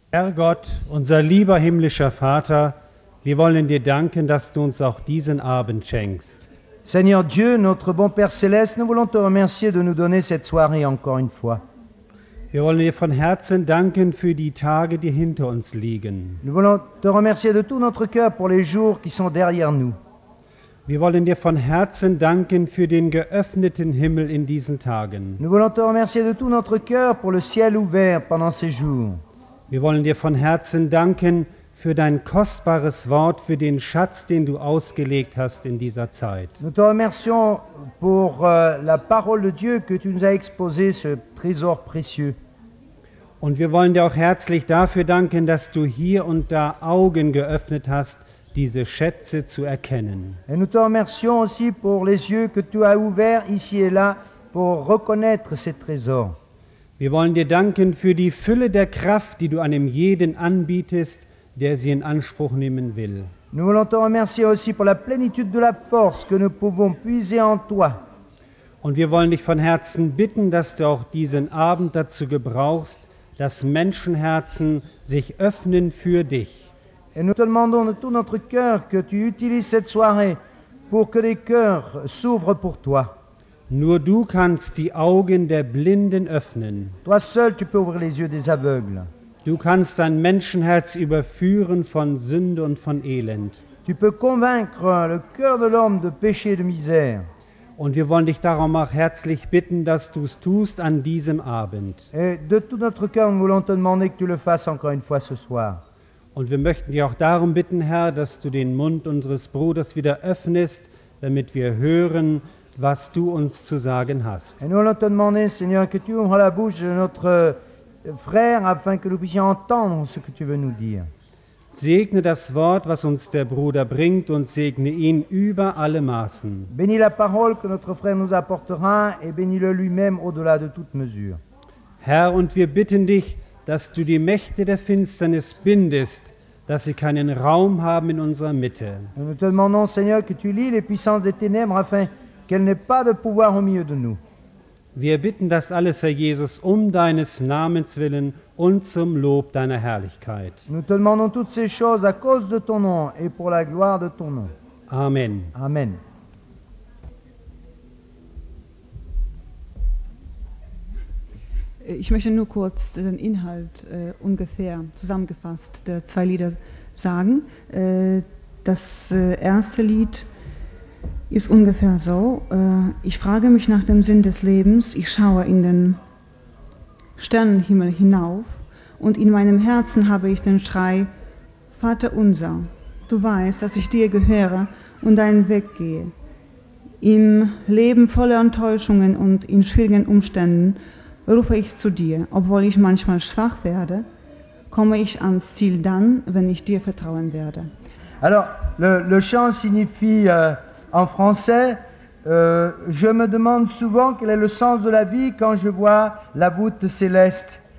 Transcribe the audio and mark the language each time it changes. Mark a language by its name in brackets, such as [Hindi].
[German] Herr Gott, unser lieber himmlischer Vater, wir wollen dir danken, dass du uns auch diesen Abend schenkst. [French] Seigneur Dieu, notre bon Père Céleste, nous voulons te remercier de nous donner cette soirée encore une fois. [German] Wir wollen dir von Herzen danken für die Tage, die hinter uns liegen. [French] Nous voulons te remercier de tout notre cœur pour les jours qui sont derrière nous. [German] Wir wollen dir von Herzen danken für den geöffneten Himmel in diesen Tagen. [French] Nous voulons te remercier de tout notre cœur pour le ciel ouvert pendant ces jours. [German] Wir wollen dir von Herzen danken für dein kostbares Wort, für den Schatz, den du ausgelegt hast in dieser Zeit. [French] Nous te remercions pour la parole de Dieu que tu nous as exposée, ce trésor précieux. [German] Und wir wollen dir auch herzlich dafür danken, dass du hier und da Augen geöffnet hast, diese Schätze zu erkennen. [French] Et nous te remercions aussi pour les yeux que tu as ouverts ici et là pour reconnaître ces trésors. [German] Wir wollen dir danken für die Fülle der Kraft, die du einem jeden anbietest, der sie in Anspruch nehmen will. [French] Nous voulons te remercier aussi pour la plénitude de la force que nous pouvons puiser en toi. [German] Und wir wollen dich von Herzen bitten, dass du auch diesen Abend dazu gebrauchst, dass Menschenherzen sich öffnen für dich. [French] Et nous te demandons de tout notre cœur que tu utilises cette soirée pour que les cœurs s'ouvrent pour toi. [German] Nur du kannst die Augen der Blinden öffnen. [French] Toi seul, tu peux ouvrir les yeux des aveugles. [German] Du kannst ein Menschenherz überführen von Sünde und von Elend. [French] Tu peux convaincre le cœur de l'homme de péché et de misère. [German] Und wir wollen dich darum auch herzlich bitten, dass du es tust an diesem Abend. [French] Et de tout notre cœur, nous voulons te demander que tu le fasses encore une fois ce soir. [German] Und wir möchten dich auch darum bitten, Herr, dass du den Mund unseres Bruders wieder öffnest, damit wir hören, was du uns zu sagen hast. [French] Et nous voulons te demander, Seigneur, que tu ouvres la bouche de notre frère, afin que nous puissions entendre ce que tu veux nous dire. [German] Segne das Wort, was uns der Bruder bringt, und segne ihn über alle Maßen. [French] Bénis la parole que notre frère nous apportera, et bénis-le lui-même au-delà de toute mesure. [German] Herr, und wir bitten dich, dass du die Mächte der Finsternis bindest, dass sie keinen Raum haben in unserer Mitte. [French] Et nous te demandons, Seigneur, que tu lies les puissances des ténèbres, afin qu'elle n'ait pas de pouvoir au milieu de nous. [German] Wir bitten das alles, Herr Jesus, deines Namens willen und zum Lob deiner Herrlichkeit. [French] Nous te demandons toutes ces choses à cause de ton nom et pour la gloire de ton nom. [German] Amen. [French] Amen. [German] Ich möchte nur kurz den Inhalt ungefähr zusammengefasst der zwei Lieder sagen. Das erste Lied ist ungefähr so: Ich frage mich nach dem Sinn des Lebens, ich schaue in den Sternenhimmel hinauf und in meinem Herzen habe ich den Schrei: Vater unser, du weißt, dass ich dir gehöre und deinen Weg gehe. Im Leben voller Enttäuschungen und in schwierigen Umständen rufe ich zu dir. Obwohl ich manchmal schwach werde, komme ich ans Ziel dann, wenn ich dir vertrauen werde. [French] Alors, le chant signifie en français, je me demande souvent quel est le sens de la vie quand je vois la voûte céleste.